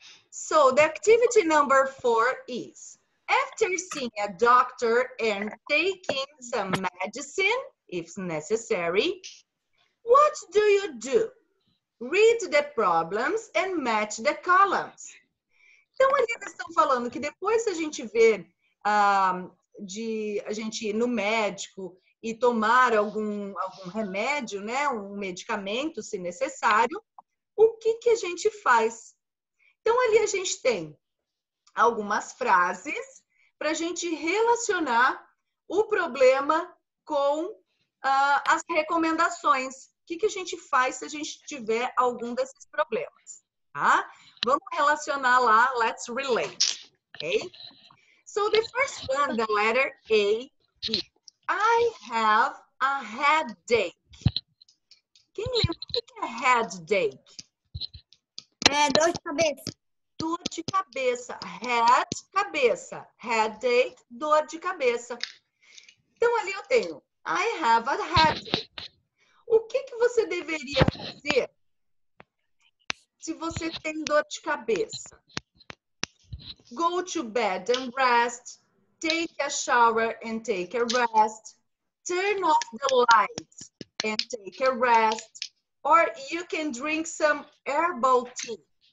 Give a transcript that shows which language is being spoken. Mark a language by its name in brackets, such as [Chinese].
[English] So the activity number 4 is after seeing a doctor and taking some medicine, if necessary, what do you do? Read the problems and match the columns. [Portuguese] Então, ali eles estão falando que depois a gente vê de a gente ir no médico e tomar algum remédio, né, um medicamento, se necessário, o que que a gente faz? Então, ali a gente tem algumas frases para a gente relacionar o problema com as recomendações. O que que a gente faz se a gente tiver algum desses problemas? Tá? Vamos relacionar lá, [English] let's relate. [Portuguese] Okay? [English] So the first one, the letter A, is I have a headache. [Portuguese] Quem lembra o que é headache? É dor de cabeça. Dor de cabeça, head, cabeça, headache, dor de cabeça. Então, ali eu tenho, [English] I have a headache. [Portuguese] O que que você deveria fazer se você tem dor de cabeça? [English] Go to bed and rest, take a shower and take a rest, turn off the light and take a rest, or you can drink some herbal tea.